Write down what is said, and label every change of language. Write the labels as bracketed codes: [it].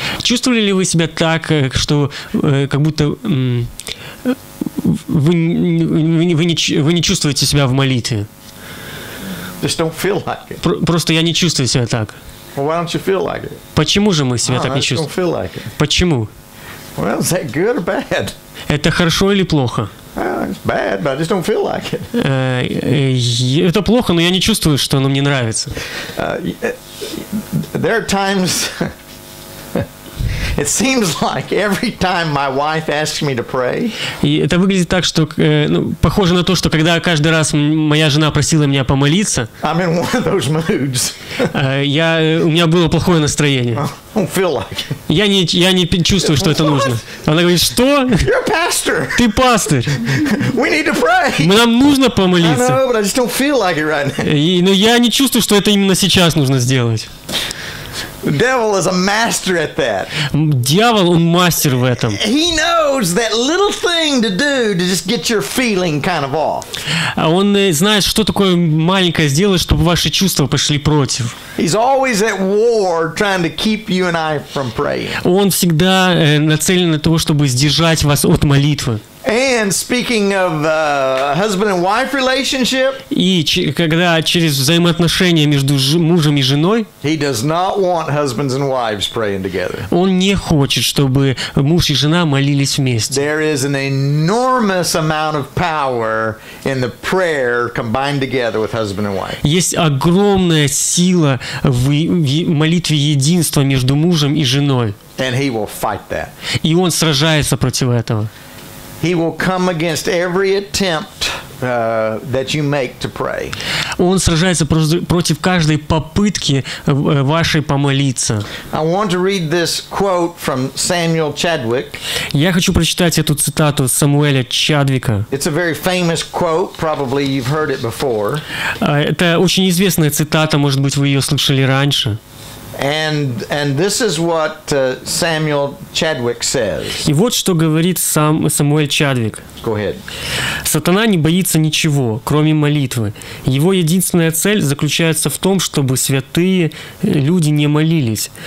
[ru] Чувствовали ли вы себя так, что как будто вы не чувствуете себя в молитве? [en] Just don't feel like it. [ru] Просто я не чувствую себя так. [en] Well, why don't you feel like it? [ru] Почему же мы себя так не чувствуем? [en] Don't feel like it. [ru] Почему? [en] Well, is that good or bad? [ru] Это хорошо или плохо? [en] It's bad, but I just don't feel like it. [ru] Это плохо, но я не чувствую, что оно мне нравится. [en] There are times It seems like every time my wife asks me to pray. [ru] И это выглядит так, что похоже на то, что когда каждый раз моя жена просила меня помолиться. [en] I'm in one of those moods. [ru] У меня было плохое настроение. [en] I don't feel like. [ru] Я не чувствую, что это нужно. Она говорит, что? [en] You're a pastor. [ru] Ты пастор. [en] We need to pray. [ru] Нам нужно помолиться. [en] I know, but I just don't feel like it right now. [ru] Но я не чувствую, что это именно сейчас нужно сделать. [en] The devil is a master at that. [ru] Дьявол, он мастер в этом. [en] He knows that little thing to do to just get your feeling kind of off. [ru] А он знает, что такое маленькое сделать, чтобы ваши чувства пошли против. [en] He's always at war trying to keep you and I from praying. [ru] Он всегда нацелен на то, чтобы сдержать вас от молитвы. [en] And speaking of husband and wife relationship, [ru] и когда через взаимоотношения между мужем и женой, [en] he does not want husbands and wives praying together. [ru] Он не хочет, чтобы муж и жена молились вместе. [en] There is an enormous amount of power in the prayer combined together with husband and wife. [ru] Есть огромная сила в молитве единства между мужем и женой. [en] And he will fight that. [ru] И он сражается против этого. [en] He will come against every attempt that you make to pray. [ru] Он сражается против каждой попытки вашей помолиться. [en] I want to read this quote from Samuel Chadwick. [ru] Я хочу прочитать эту цитату Самуэля Чадвика. [en] It's a very famous quote, probably you've heard it before. [ru] Это очень известная цитата, может быть, вы ее слышали раньше. [en] And this is what Samuel Chadwick says. [ru] И вот что говорит сам Самуэль Чадвик. [en] Go ahead. [ru] Сатана не боится ничего, кроме молитвы. Его единственная цель заключается в том, чтобы святые люди не молились.